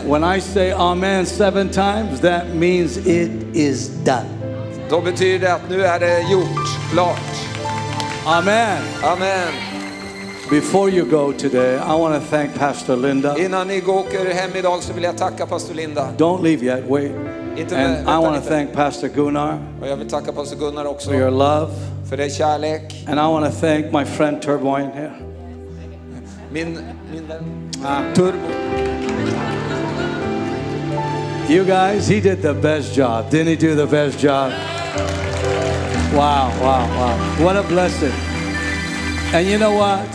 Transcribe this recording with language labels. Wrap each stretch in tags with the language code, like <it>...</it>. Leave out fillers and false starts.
<en>And when I say amen 7 times, that means it is done.</en> <sv>Då betyder det att nu är det gjort, klart.</sv> <en>Amen.</en> <sv>Amen.</sv> <en>Before you go today, I want to thank Pastor Linda.</en> <sv>Innan ni går hem idag så vill jag tacka Pastor Linda.</sv> <en>Don't leave yet, wait.</en> <sv>Inte</sv> <en>and</en> <sv>vänta</sv> <en>I want to thank Pastor Gunnar.</en> <sv>Och jag vill tacka Pastor Gunnar också.</sv> <en>For your love.</en> <sv>För din kärlek.</sv> <en>And I want to thank my friend Turboin here.</en> <sv>Min vän. Turbo.</sv> <en>You guys, he did the best job. Didn't he do the best job? Wow, wow, wow. What a blessing. And you know what?</en>